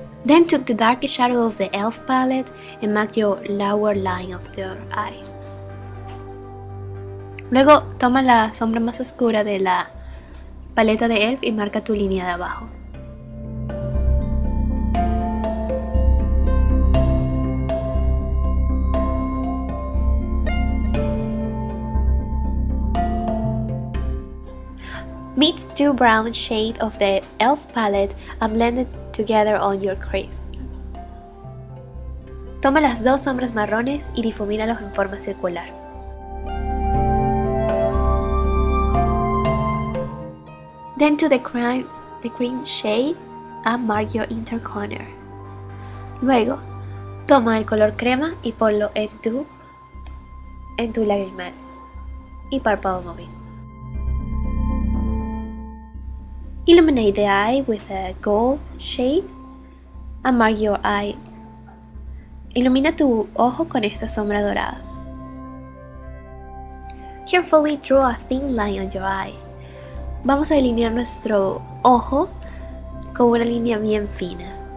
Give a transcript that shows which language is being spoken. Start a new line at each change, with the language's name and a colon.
English: Then took the darkest shadow of the e.l.f. palette and mark your lower line of your eye.
Spanish: Luego toma la sombra más oscura de la paleta de e.l.f. y marca tu línea de abajo.
English: Mix two brown shades of the e.l.f. palette and blend it together on your crease.
Spanish: Toma las dos sombras marrones y difumínalos en forma circular.
English: Then to the cream shade and mark your inner corner.
Spanish: Luego, toma el color crema y ponlo en tu lagrimal y párpado móvil.
English: Illuminate the eye with a gold shade and mark your eye.
Spanish: Ilumina tu ojo con esta sombra dorada.
English: Carefully draw a thin line on your eye.
Spanish: Vamos a delinear nuestro ojo con una línea bien fina.